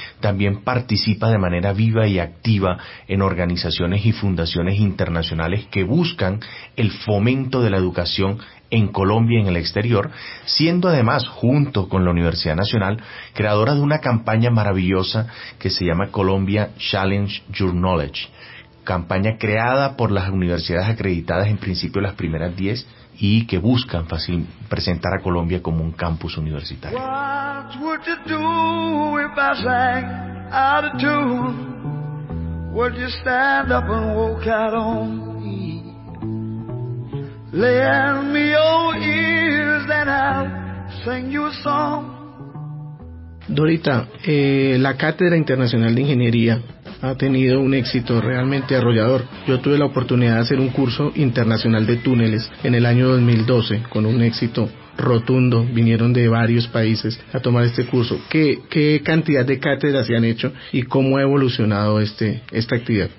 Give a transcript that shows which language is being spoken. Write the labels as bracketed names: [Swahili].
[Spanish] también participa de manera viva y activa en organizaciones y fundaciones internacionales que buscan el fomento de la educación en Colombia y en el exterior, siendo además, junto con la Universidad Nacional, creadora de una campaña maravillosa que se llama Colombia Challenge Your Knowledge, campaña creada por las universidades acreditadas, en principio las primeras 10, y que buscan presentar a Colombia como un campus universitario. [English] What would you do if I sang out of tune? Would you stand up and walk out on me? Lend me your ears and I'll sing you a song. [Spanish] Dorita, la Cátedra Internacional de Ingeniería ha tenido un éxito realmente arrollador. Yo tuve la oportunidad de hacer un curso internacional de túneles en el año 2012 con un éxito rotundo. Vinieron de varios países a tomar este curso. ¿Qué cantidad de cátedras se han hecho y cómo ha evolucionado esta actividad?